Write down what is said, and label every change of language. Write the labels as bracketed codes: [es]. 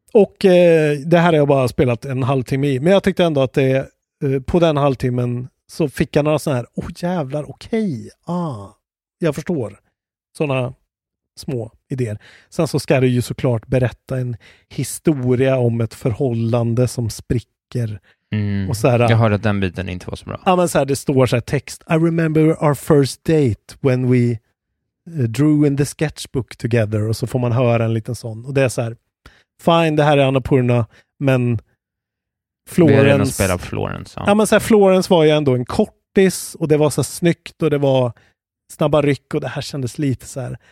[sv] Och det här har jag bara spelat en halvtimme i. Men jag tyckte ändå att det på den halvtimmen så fick jag några sån här, åh jävlar, okej. Ah, jag förstår. Såna små idéer. Sen så ska det ju såklart berätta en historia om ett förhållande som spricker. Mm. Och så här, jag hörde att den biten inte var så bra. Ja, men så här, det står så här text. [en] I remember our first date when we drew in the sketchbook together. [sv] Och så får man höra en liten sån. Och det är så här, fine, det här är Annapurna, men Florence... Vi har redan spelat Florence. Ja, men så här, Florence var ju ändå en kortis och det var så snyggt och det var snabba ryck och det här kändes lite så här.